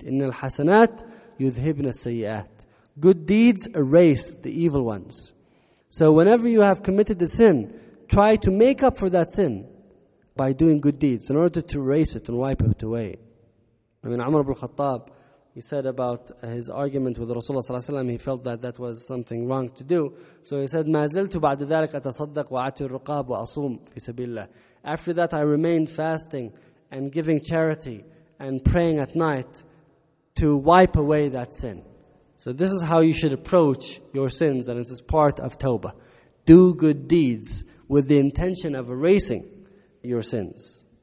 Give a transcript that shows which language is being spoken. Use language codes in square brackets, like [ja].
[ar] إِنَّ الْحَسَنَاتِ يُذْهِبْنَ السَّيِّئَاتِ. [en] Good deeds erase the evil ones. So whenever you have committed a sin, try to make up for that sin by doing good deeds in order to erase it and wipe it away. I mean, Umar ibn al-Khattab, he said about his argument with Rasulullah ﷺ, he felt that that was something wrong to do. [ar] So he said, مَا زِلْتُ بَعْدَ ذَلَكَ أَتَصَدَّقْ وَعَتِ الرُّقَابُ وَأَصُومُ فِي سَبِيلِ اللَّهِ. [en] After that, I remained fasting and giving charity and praying at night to wipe away that sin. So this is how you should approach your sins, and it is part of Tawbah. Do good deeds with the intention of erasing your sins.